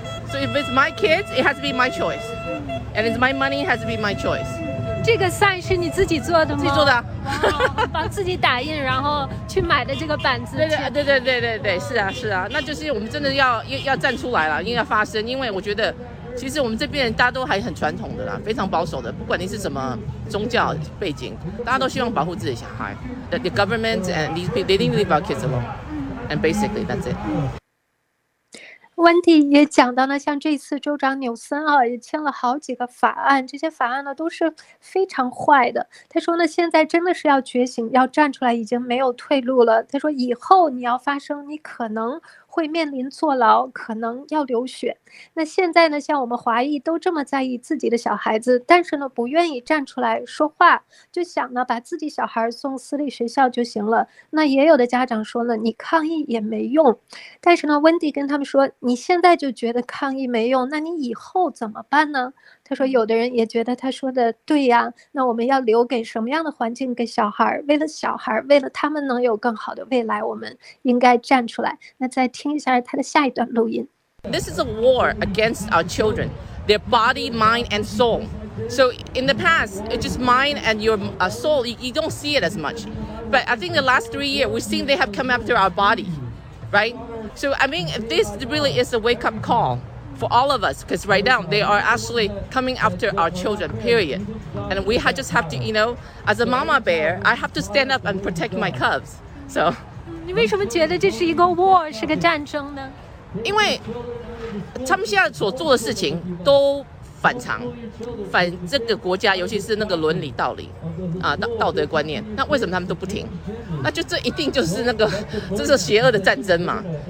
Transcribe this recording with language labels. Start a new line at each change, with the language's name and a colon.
English: So if it's my kids it has to be my choice and it's my money has to be my choice。
Chinese: 这个 sign 是你自己做的吗？自己做的、啊、把自己打印然后去买的这个板子。对对对对对，是啊是啊，那就是我们真的要站出来了，应该发声。因为我觉得其实我们这边人大家都还很传统的啦，非常保守的，不管你是什么宗教背景，大家都希望保护自己的小孩。
English: The government and these people, they didn't leave our kids alone. And basically, that's it.
Chinese: Wendy 也讲到呢，像这次州长纽森啊，也签了好几个法案，这些法案呢都是非常坏的。他说呢，现在真的是要觉醒，要站出来，已经没有退路了。他说以后你要发声，你可能会面临坐牢，可能要流血。那现在呢，像我们华裔都这么在意自己的小孩子，但是呢不愿意站出来说话，就想呢把自己小孩送私立学校就行了。那也有的家长说呢，你抗议也没用。但是呢温迪跟他们说，你现在就觉得抗议没用，那你以后怎么办呢？他说有的人也觉得他说的对呀，那我们要留给什么样的环境给小孩，为了小孩，为了他们能有更好的未来，我们应该站出来。那再听一下他的下一段录音。
English: This is a war against our children, their body, mind and soul. So in the past it's just mind and your soul, you don't see it as much, but I think the last 3 years we've seen they have come after our body, right? So I mean this really is a wake up callfor all of us, because right now they are actually coming after our children, period. And we just have to, you know, as a mama bear, I have to stand up and protect my cubs. So,
Chinese: 你为什么觉得这是一个 war, 是个战争呢？因为他们现在所做的事情都反常，反这个国家，尤其是那个伦理道理啊，道德观念。那为什么他们都不停？那就这一定就是那个，这是邪恶的战争嘛。